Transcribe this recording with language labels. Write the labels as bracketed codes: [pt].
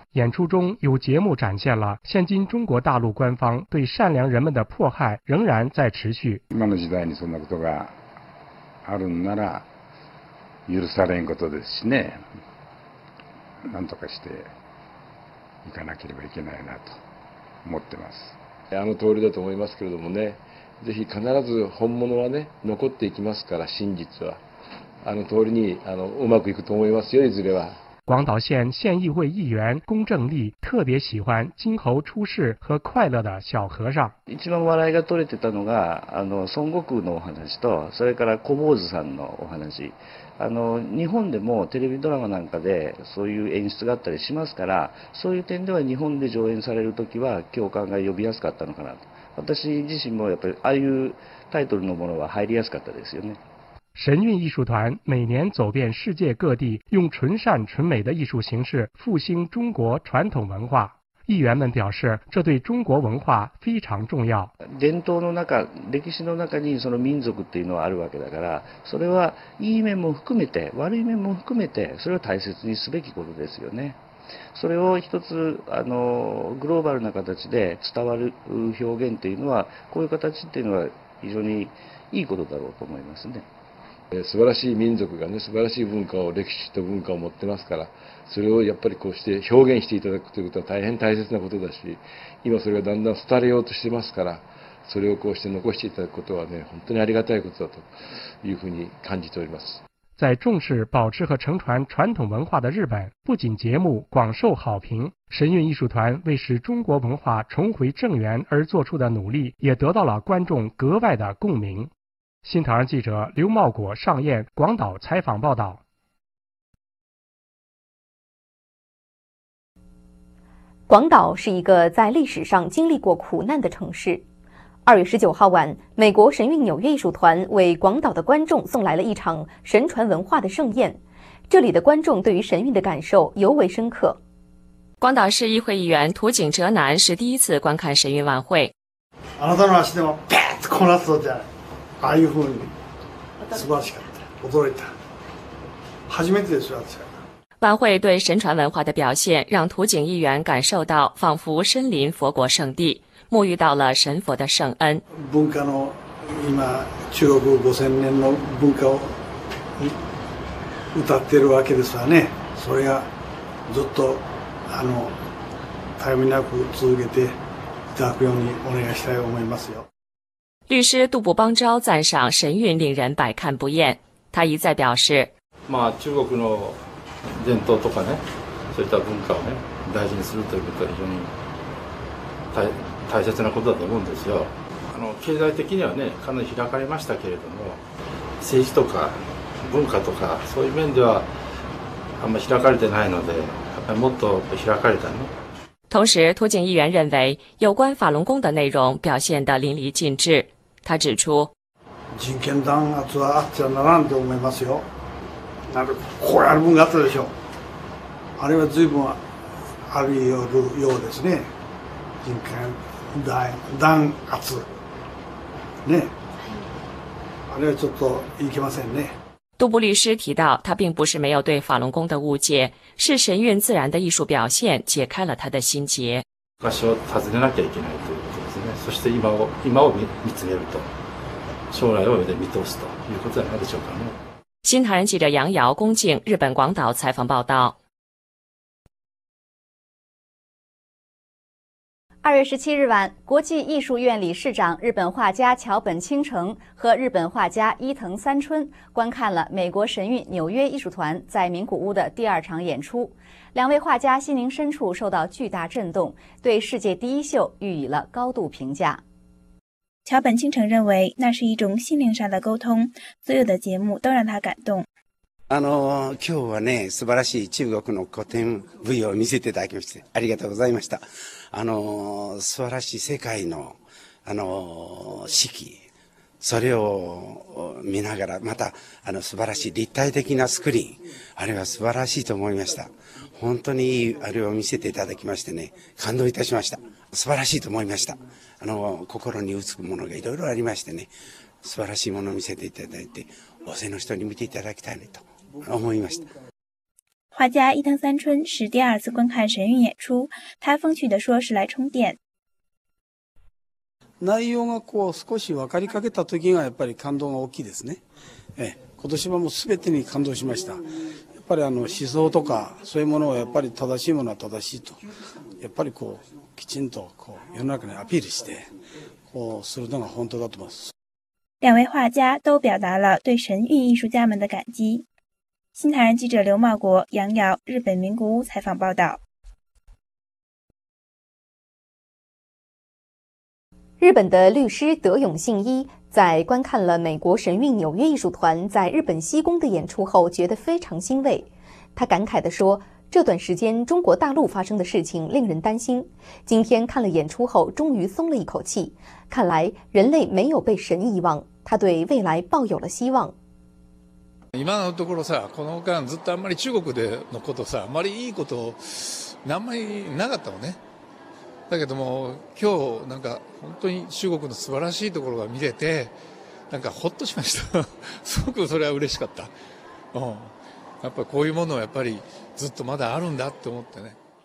[zh] 演出中有节目展现了现今中国大陆官方对善良人们的迫害仍然在持续。 [ja] 今の時代にそんなことがあるんなら許されんことですしね。なんとかしていかなければいけないなと思ってます。あの通りだと思いますけれどもね。ぜひ必ず本物はね残っていきますから真実は。あの通りにあのうまくいくと思いますよ、いずれは。 [zh] 广岛县县议会议员龚正利特别喜欢金猴出世和快乐的小和尚。 [ja] 一番笑いが取れてたのがあの孫悟空のお話とそれから小坊主さんのお話。あの日本でもテレビドラマなんかでそういう演出があったりしますから、そういう点では日本で上演されるときは共感が呼びやすかったのかなと。私自身もやっぱりああいうタイトルのものは入りやすかったですよね。 [zh] 神韵艺术团每年走遍世界各地，用纯善纯美的艺术形式复兴中国传统文化。议员们表示，这对中国文化非常重要。 [ja] 伝統の中、歴史の中にその民族っていうのはあるわけだから、それはいい面も含めて、悪い面も含めて、それを大切にすべきことですよね。それを一つあのグローバルな形で伝わる表現っていうのは、こういう形っていうのは非常にいいことだろうと思いますね。素晴らしい民族がね、素晴らしい文化を、歴史と文化を持ってますから、それをやっぱりこうして表現していただくということは大変大切なことだし、今それがだんだん廃れようとしてますから、それをこうして残していただくことはね、本当にありがたいことだというふうに感じております。 [zh] 在重视保持和承传传统文化的日本，不仅节目广受好评，神韵艺术团为使中国文化重回正源而做出的努力，也得到了观众格外的共鸣。新唐人记者刘茂果、上彦，广岛采访报道。广岛是一个在历史上经历过苦难的城市。二月十九号晚，美国神韵纽约艺术团为广岛的观众送来了一场神传文化的盛宴。这里的观众对于神韵的感受尤为深刻。广岛市议会议员土井哲男是第一次观看神韵晚会。 [ja] あなたの足でもペッとこなすぞじゃん。ああいうふうに素晴らしかった、驚いた、初めてです。私は [zh] 晚会对神传文化的表现让土井议员感受到仿佛身临佛国圣地，沐浴到了神佛的圣恩。 [ja] 文化の今中国五千年の文化を歌ってるわけですわね。それがずっとあの絶え間なく続けていただくようにお願いしたいと思いますよ。 [zh] 律师杜布邦昭赞赏神韵令人百看不厌，他一再表示：“ [ja] まあ中国の伝統とかね、そういった文化をね大事にするということは非常に 大切なことだと思うんですよ。あの経済的にはねかなり開かれましたけれども、政治とか文化とかそういう面ではあんまり開かれてないので、やっぱりもっと開かれたね。” [zh] 同时，土井议员认为有关法轮功的内容表现得淋漓尽致。他指出：“ [ja] 人権弾圧はあってはならんと思いますよ。なるこれある分があったでしょう。あれは随分あるようですね。人権弾圧ね、あれはちょっといけませんね。 [zh] 杜布律师提到，他并不是没有对法轮功的误解，是神韵自然的艺术表现解开了他的心结。 [ja] 昔を尋ねなきゃいけないということですね。そして今を見つめると、将来を見通すということなんでしょうかね。 [zh] 新唐人记者杨瑶、龚静，日本广岛采访报道。 2月17日晚，国际艺术院理事长、日本画家桥本倾城和日本画家伊藤三春观看了美国神韵纽约艺术团在名古屋的第二场演出。两位画家心灵深处受到巨大震动，对世界第一秀予以了高度评价。桥本倾城认为，那是一种心灵上的沟通，所有的节目都让他感动。 [ja] 今日はね、素晴らしい中国の古典舞踊を見せていただきましてありがとうございました。素晴らしい世界の四季、それを見ながら、また素晴らしい立体的なスクリーン、あれは素晴らしいと思いました。本当にいいあれを見せていただきましてね、感動いたしました。素晴らしいと思いました。心に打つくものがいろいろありましてね、素晴らしいものを見せていただいて、大勢の人に見ていただきたいねと思いました。 [zh] 画家伊藤三春是第二次观看神韵演出，他风趣地说是来充电。 [ja] 内容がこう少し分かりかけた時がやっぱり感動が大きいですね。今年はもう全てに感動しました。やっぱり思想とかそういうものをやっぱり正しいものは正しいと、やっぱりこうきちんとこう世の中にアピールしてこうするのが本当だと思います。 [zh] 两位画家都表达了对神韵艺术家们的感激。新唐人记者刘茂国、杨瑶，日本名古屋采访报道。日本的律师德永信一在观看了美国神韵纽约艺术团在日本西宫的演出后觉得非常欣慰，他感慨地说，这段时间中国大陆发生的事情令人担心，今天看了演出后终于松了一口气，看来人类没有被神遗忘，他对未来抱有了希望。 [ja] 今のところさ、この間ずっとあんまり中国でのことさ、あまりいいことあんまりなかったのね。だけども今日なんか本当に中国の素晴らしいところが見れて、なんかほっとしました。すごくそれは嬉しかった。やっぱりこういうものはやっぱりずっとまだあるんだって思ってね。